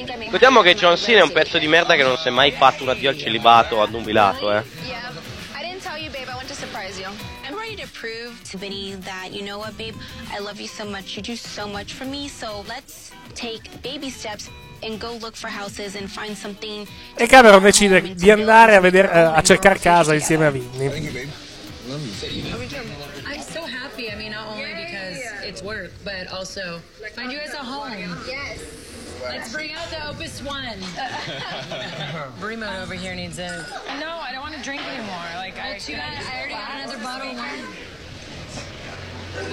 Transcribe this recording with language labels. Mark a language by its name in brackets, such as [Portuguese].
[Italian] Vediamo che John Cena è un pezzo di merda che non si è mai fatto un addio al celibato o ad un bilato, [English] I didn't tell you, babe, I want to surprise you. I'm ready to prove to Vinny that, you know what, babe, I love you so much, you do so much for me, so let's take baby steps and go look for houses and find something. [Italian] E Cameron decide di andare a vedere, a cercare casa insieme a Vinny. [English] I'm so happy, I mean, not only because it's work, but also find you guys a home. Yes. Let's bring out the Opus One. Brimo over here needs it. No, I don't want to drink anymore. Like, well, I already got another bottle of wine.